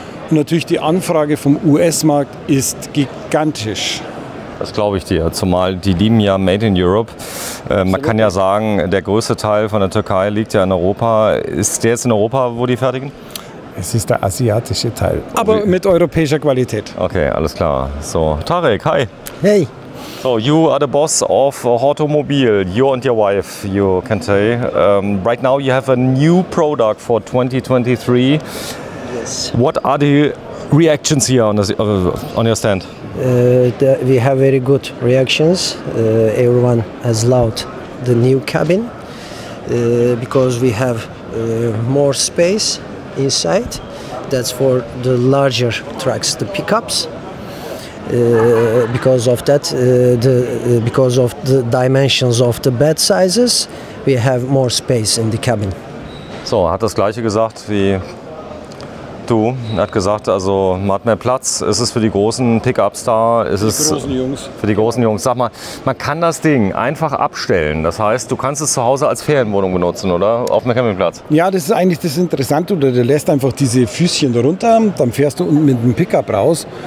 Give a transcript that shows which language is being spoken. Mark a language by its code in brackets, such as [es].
[de] Und natürlich die Anfrage vom US-Markt ist gigantisch. Das glaube ich dir, zumal die lieben ja Made in Europe. Man kann ja sagen, der größte Teil von der Türkei liegt ja in Europa. Ist der jetzt in Europa, wo die fertigen? Es ist der asiatische Teil, aber mit europäischer Qualität. Okay, alles klar. So, Tarek, hi. Hey. [en] So, you are the boss of Hottomobil, you and your wife, you can say. Right now you have a new product for 2023. Yes. What are the reactions here on your stand? We have very good reactions. Everyone has loved the new cabin because we have more space inside. That's for the larger trucks, the pickups. Because of that, because of the dimensions of the bed sizes, we have more space in the cabin. [de] So, hat das Gleiche gesagt wie du. Er hat gesagt, also man hat mehr Platz, ist es für die großen Pickups da, ist es für die großen Jungs. Sag mal, man kann das Ding einfach abstellen. Das heißt, du kannst es zu Hause als Ferienwohnung benutzen, oder? Auf dem Campingplatz. Ja, das ist eigentlich das Interessante. Oder du lässt einfach diese Füßchen runter, dann fährst du unten mit dem Pickup raus.